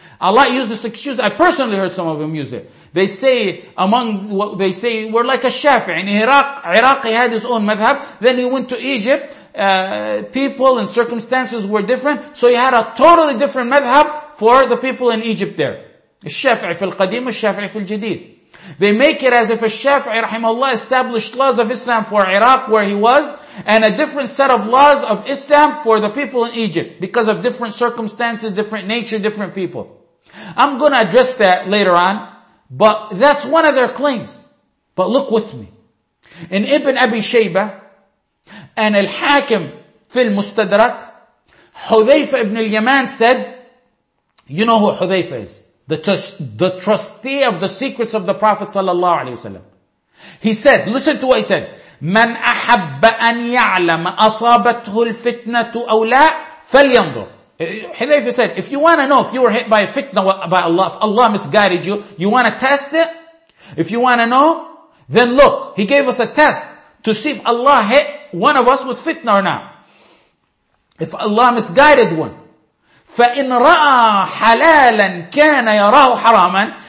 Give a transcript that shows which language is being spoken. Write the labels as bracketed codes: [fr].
[en] Allah used this excuse. I personally heard some of them use it. They say, among what they say, we're like a Shafi'i. In Iraq, he had his own madhab. Then he went to Egypt. People and circumstances were different. So he had a totally different madhab for the people in Egypt there. [ar] الشافعي في القديم والشافعي في الجديد. [en] They make it as if a Shafi'i rahimahullah established laws of Islam for Iraq where he was and a different set of laws of Islam for the people in Egypt because of different circumstances, different nature, different people. I'm going to address that later on, but that's one of their claims. But look with me. In Ibn Abi Shayba and Al-Hakim في المستدرك, Hudhayfa ibn al-Yaman said, you know who Hudhayfa is. The trustee of the secrets of the Prophet sallallahu alaihi wasallam. He said, listen to what he said. [ar] من أحب أن يعلم أصابته الفتنة أو لا فلينظر. [en] Hudhayfa said, if you want to know if you were hit by a fitna by Allah, if Allah misguided you, you want to test it? If you want to know, then look. He gave us a test to see if Allah hit one of us with fitna or not. If Allah misguided one. [ar] فَإِنْ رَأَى حَلَالًا كَانَ يَرَاهُ حَرَامًا.